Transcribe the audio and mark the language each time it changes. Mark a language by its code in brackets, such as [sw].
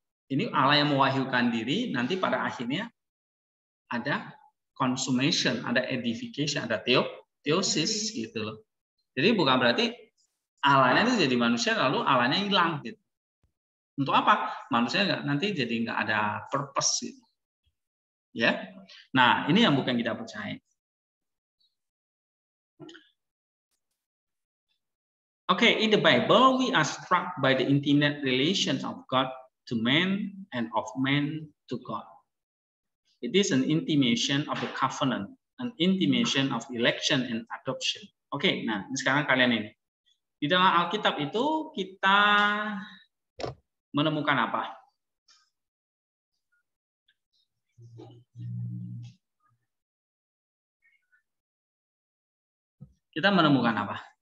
[id] Ini Allah yang mewahyukan diri nanti pada akhirnya ada consummation, ada edification, ada theosis gitu loh. Jadi bukan berarti Allahnya itu jadi manusia lalu Allahnya hilang gitu. Untuk apa? Manusia enggak, nanti jadi enggak ada purpose gitu. Ya. Nah, ini yang bukan kita percaya. [en] Okay, in the Bible we are struck by the intimate relations of God to man and of man to God. It is an intimation of the covenant, an intimation of election and adoption. [id] Oke, okay, nah sekarang kalian ini. Di dalam Alkitab itu kita menemukan apa? Kita menemukan apa?